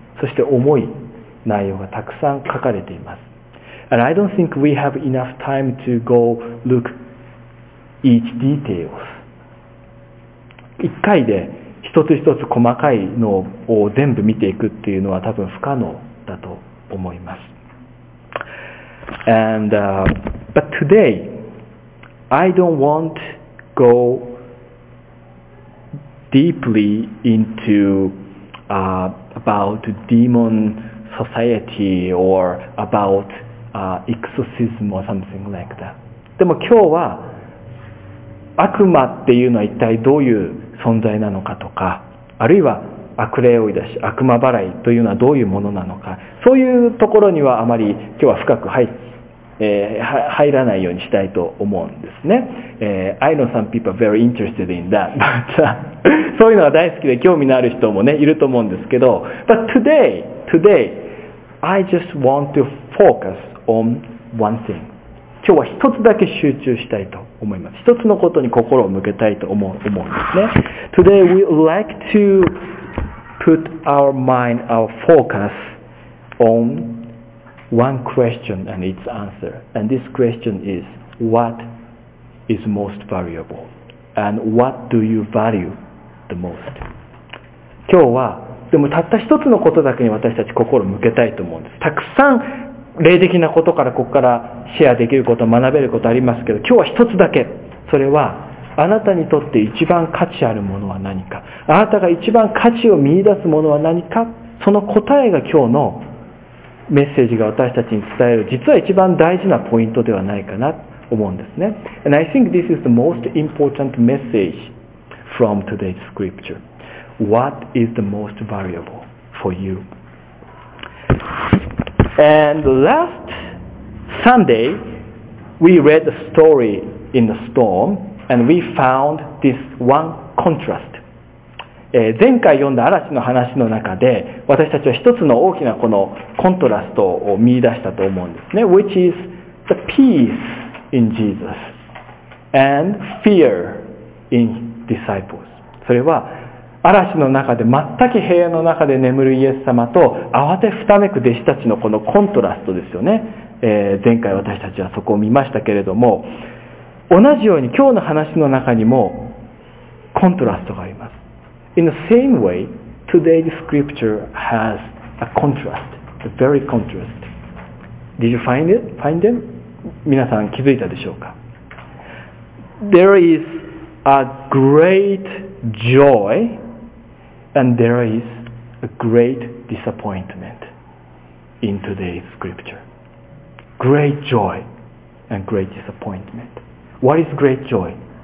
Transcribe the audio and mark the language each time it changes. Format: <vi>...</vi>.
<ja>そして重い内容がたくさん書かれています。</ja> <en>And I don't think we have enough time to go look each details.</en> <ja>一回で一つ一つ細かいのを全部見ていくっていうのは多分不可能だと思います。</ja> <en>And, but today, I don't want to go deeply into, about demon society or about, exorcism or something like that.</en> <ja>でも今日は悪魔っていうのは一体どういう存在なのかとか、あるいは悪霊追い出し、悪魔払いというのはどういうものなのか、そういうところにはあまり今日は深く入らないようにしたいと思うんですね。</ja> <en>I know some people are very interested in that, but</en> <ja>そういうのが大好きで興味のある人もね、いると思うんですけど、</ja> <en>But today, I just want to focus on one thing.</en> <ja>今日は一つだけ集中したいと思います。一つのことに心を向けたいと思うんですね。</ja> <en>Today we would like to put our mind, our focus onOne question and its answer. And this question is, what is most valuable? And what do you value the most?</en> <ja>今日は、でもたった一つのことだけに私たち心を向けたいと思うんです。たくさん霊的なことからここからシェアできること、学べることありますけど、今日は一つだけ。それは、あなたにとって一番価値あるものは何か。あなたが一番価値を見出すものは何か。その答えが今日のメッセージが私たちに伝える実は一番大事なポイントではないかなと思うんですね。</ja> <en>And I think this is the most important message from today's scripture. What is the most valuable for you? And last Sunday we read the story in the storm and we found this one contrast.</en> <ja>前回読んだ嵐の話の中で私たちは一つの大きなこのコントラストを見出したと思うんですね。</ja> <en>Which is the peace in Jesus and fear in disciples。</en> <ja>それは嵐の中で全く平安の中で眠るイエス様と慌てふためく弟子たちのこのコントラストですよね。前回私たちはそこを見ましたけれども、同じように今日の話の中にもコントラストがあります。</ja> <en>In the same way, today's scripture has a contrast, a very contrast. Did you find it? Find them?</en> <ja>皆さん気づいたでしょうか?</ja> <en>There is a great joy and there is a great disappointment in today's scripture. Great joy and great disappointment. What is great joy?</en>